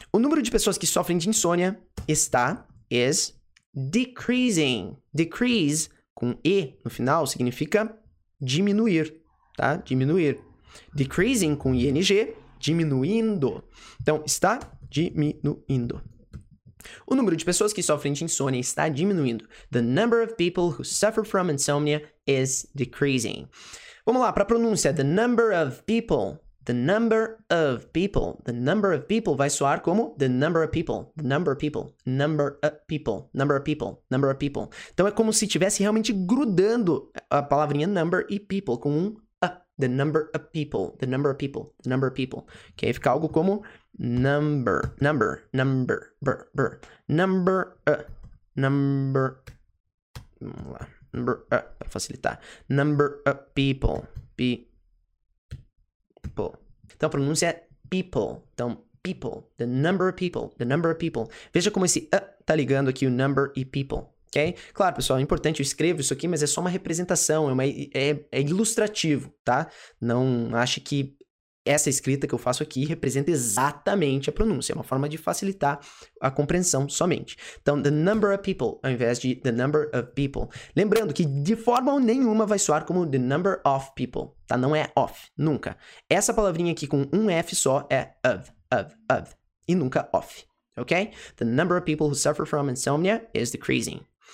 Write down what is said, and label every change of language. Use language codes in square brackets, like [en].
[pt] O número de pessoas que sofrem de insônia [en] is decreasing. [pt] Decrease, com E no final, significa diminuir, tá? Diminuir. Decreasing, com ING, diminuindo. Então, está diminuindo. O número de pessoas que sofrem de insônia está diminuindo. [en] The number of people who suffer from insomnia is decreasing. Vamos lá, para a pronúncia. The number of people... The number of people. The number of people [pt] vai soar como [en] the number of people. The number of people. Number of people. Number of people. [pt] Number of people. Então, é como se estivesse realmente grudando a palavrinha number e people com um a. [en] The number of people. The number of people. The number of people. Ok? [pt] Fica algo como number. Number. Number. Ber, ber. Number. Number. Vamos lá. Number. Para facilitar. [en] Number of people. Então, [pt] a pronúncia é [en] people. Então, people. The number of people. The number of people. [pt] Veja como esse tá ligando aqui o number e people. Ok? Claro, pessoal, é importante. Eu escrevo isso aqui, mas é só uma representação. É ilustrativo, tá? Não ache que essa escrita que eu faço aqui representa exatamente a pronúncia. É uma forma de facilitar a compreensão somente. [en] Então, the number of people, [pt] ao invés de [en] the number of people. [pt] Lembrando que de forma nenhuma vai soar como [en] the number of people, [pt] tá? Não é of, nunca. Essa palavrinha aqui com um F só é of. E nunca of, ok? [en] The number of people who suffer from insomnia is decreasing.